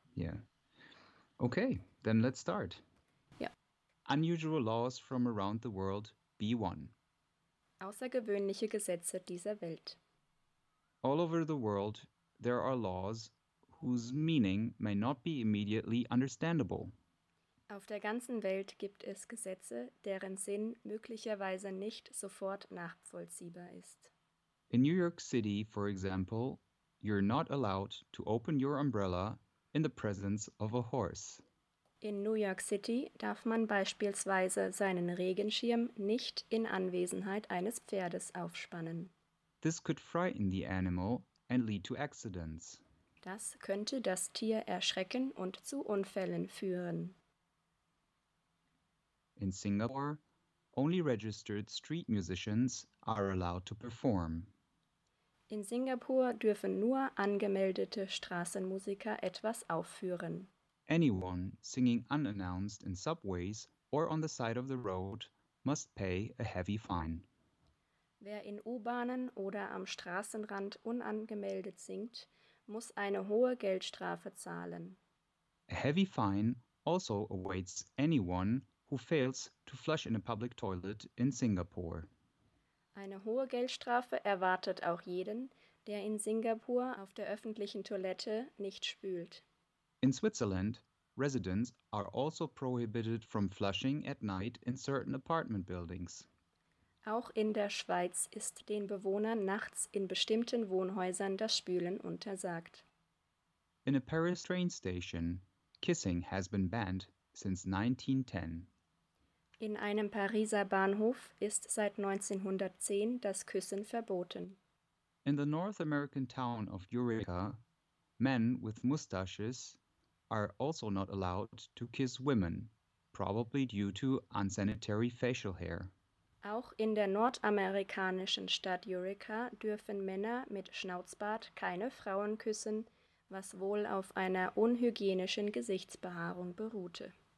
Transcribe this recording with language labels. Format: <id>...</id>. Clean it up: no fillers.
<en>Yeah. Okay, then let's start. Yeah. Unusual laws from around the world, B1.</en> <de>Außergewöhnliche Gesetze dieser Welt.</de> <en>All over the world, there are laws whose meaning may not be immediately understandable.</en> <de>Auf der ganzen Welt gibt es Gesetze, deren Sinn möglicherweise nicht sofort nachvollziehbar ist.</de> <en>In New York City, for example, you're not allowed to open your umbrella in the presence of a horse.</en> <de>In New York City darf man beispielsweise seinen Regenschirm nicht in Anwesenheit eines Pferdes aufspannen.</de> <en>This could frighten the animal and lead to accidents.</en> <de>Das könnte das Tier erschrecken und zu Unfällen führen.</de> <en>In Singapore, only registered street musicians are allowed to perform.</en> <de>In Singapur dürfen nur angemeldete Straßenmusiker etwas aufführen.</de> <en>Anyone singing unannounced in subways or on the side of the road must pay a heavy fine.</en> <de>Wer in U-Bahnen oder am Straßenrand unangemeldet singt, muss eine hohe Geldstrafe zahlen.</de> <en>A heavy fine also awaits anyone who fails to flush in a public toilet in Singapore.</en> <de>Eine hohe Geldstrafe erwartet auch jeden, der in Singapur auf der öffentlichen Toilette nicht spült.</de> <en>In Switzerland, residents are also prohibited from flushing at night in certain apartment buildings.</en> <de>Auch in der Schweiz ist den Bewohnern nachts in bestimmten Wohnhäusern das Spülen untersagt.</de> <en>In a Paris train station, kissing has been banned since 1910.</en> <de>In einem Pariser Bahnhof ist seit 1910 das Küssen verboten.</de> <en>In the North American town of Eureka, men with mustaches are also not allowed to kiss women, probably due to unsanitary facial hair.</en> <de>Auch in der nordamerikanischen Stadt Eureka dürfen Männer mit Schnauzbart keine Frauen küssen, was wohl auf einer unhygienischen Gesichtsbehaarung beruhte.</de>